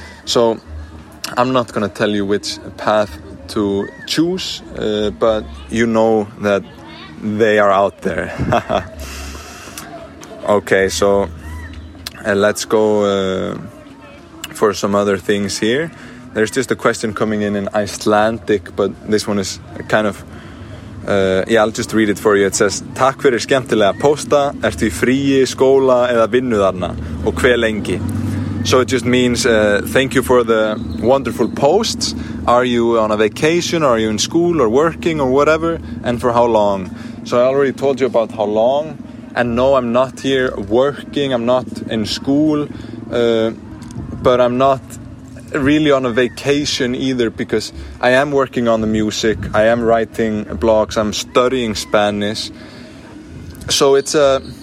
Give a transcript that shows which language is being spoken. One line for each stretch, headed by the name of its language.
English: So I'm not going to tell you which path to choose, but you know that they are out there. Okay, so and let's go for some other things here. There's just a question coming in Icelandic, but this one is kind of... I'll just read it for you. It says,
Icelandic: Takk fyrir skemmtilega posta, ertu í fríi, skóla eða vinnu þarna og hve lengi?
English: So it just means, thank you for the wonderful posts. Are you on a vacation, or are you in school or working or whatever, and for how long? So I already told you about how long, and no, I'm not here working, I'm not in school, but I'm not really on a vacation either, because I am working on the music, I am writing blogs, I'm studying Spanish. So it's a...